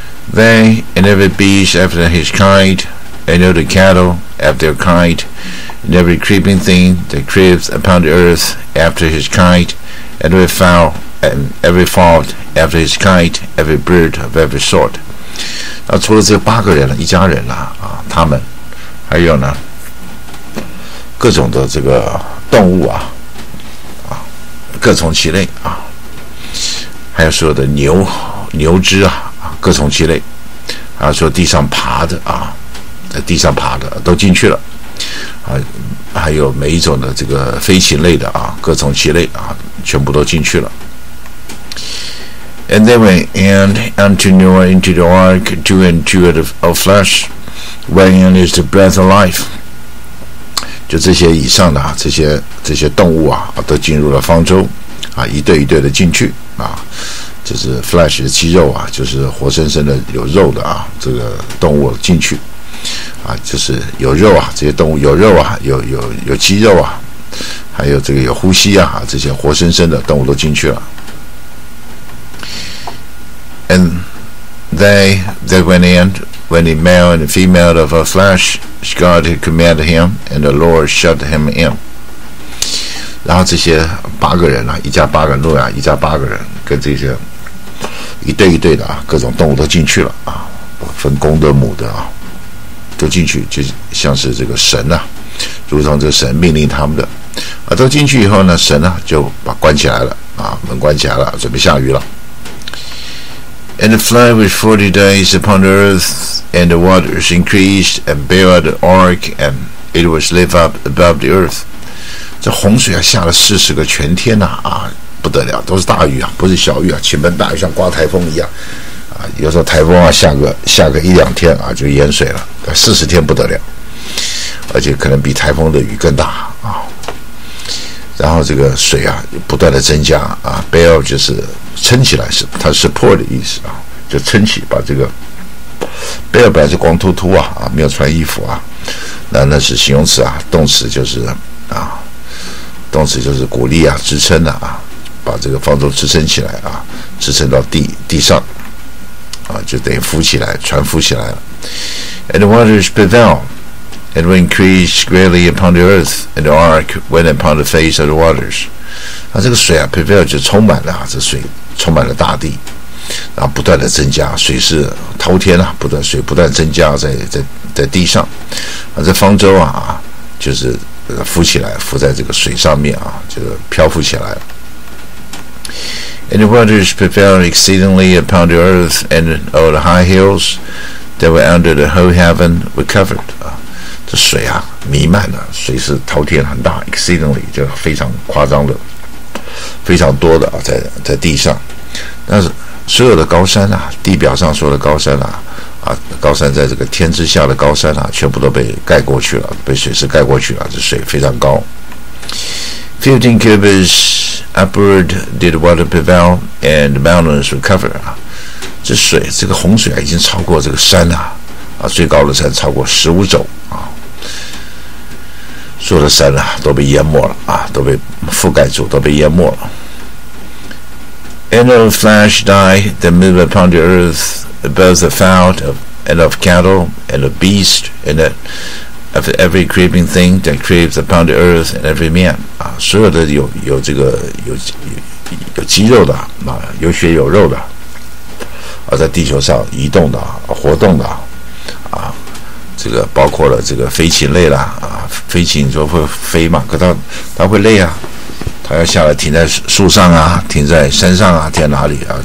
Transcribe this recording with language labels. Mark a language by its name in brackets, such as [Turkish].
[English] They and every beast after his kind, and all the cattle after their kind,And every creeping thing that creeps upon the earth after his kind, and every fowl and every fowl after his kind, every bird of every sort. [Chinese] 那除了这八个人了，一家人了啊，他们还有呢，各种的这个动物啊，啊，各从其类啊，还有所有的牛只啊，各从其类，还有说地上爬的啊，在地上爬的都进去了。还有每一种的这个飞禽类的啊，各种其类啊，全部都进去了。 [English] And they went and unto Noah into the ark, two and two out of flesh, wherein is the breath of life. [Chinese] 就这些以上的啊，这些动物啊，都进入了方舟啊，一对一对的进去啊，就是 flesh 的肌肉啊，就是活生生的有肉的啊，这个动物进去。啊，就是有肉啊，这些动物有肉啊，有肌肉啊，还有这个有呼吸啊，这些活生生的动物都进去了。 [English] And they went in when the male and the female of a flesh God had commanded him, and the Lord shut him in. [Chinese] 然后这些八个人啊，一家八个诺亚，一家八个人跟这些一对一对的啊，各种动物都进去了啊，分公的母的啊。都进去，就像是这个神啊，如同这个神命令他们的啊，都进去以后呢，神啊就把关起来了啊，门关起来了，准备下雨了。 [English] And the flood was 40 days upon the earth, and the waters increased and bailed the ark, and it was lift up above the earth. [Chinese] 这洪水啊，下了40个全天呐 啊，不得了，都是大雨啊，不是小雨啊，倾盆大雨，像刮台风一样。有时候台风啊下个一两天啊就淹水了，四十天不得了，而且可能比台风的雨更大啊。然后这个水啊不断的增加啊 ，bail 就是撑起来，是它 support 的意思啊，就撑起把这个 bail 本来是光秃秃啊没有穿衣服啊，那是形容词啊，动词就是啊，动词就是鼓励啊支撑的 啊，把这个方舟支撑起来啊，支撑到地上。啊，就等于浮起来，船浮起来了。 [English] And the waters prevail, and were increased greatly upon the earth, and the ark went upon the face of the waters. [Chinese] 那这个水啊 ，prevail 就充满了，这水充满了大地，然后不断的增加，水是滔天啊，不断水不断增加在地上，啊，这方舟啊，就是浮起来，浮在这个水上面啊，就是漂浮起来。 [English] And the waters prevailed exceedingly upon the earth, and all the high hills that were under the whole heaven were covered. [Chinese] 啊，这水啊，弥漫了，水是滔天很大 ，exceedingly 就非常夸张的，非常多的啊，在地上。但是所有的高山啊，地表上所有的高山啊。高山在这个天之下的高山啊，全部都被盖过去了，被水势盖过去了，这水非常高。 [English] 15 cubits upward did the water prevail, and the mountains were covered. [Chinese] 这水，这个洪水啊，已经超过这个山啊，最高的山超过15肘啊，所有的山啊都被淹没了啊，都被覆盖住，都被淹没了。 [English] And the flesh died that moved upon the earthBoth the fowl and of cattle and of beast and of every creeping thing that creeps upon the earth and every man. [Chinese] 啊，所有的有这个有肌肉的啊，有血有肉的啊，在地球上移动的啊，活动的啊，这个包括了这个飞禽类啦啊，飞禽说会飞嘛，可它会累啊，它要下来停在树上啊，停在山上啊，停在哪里啊？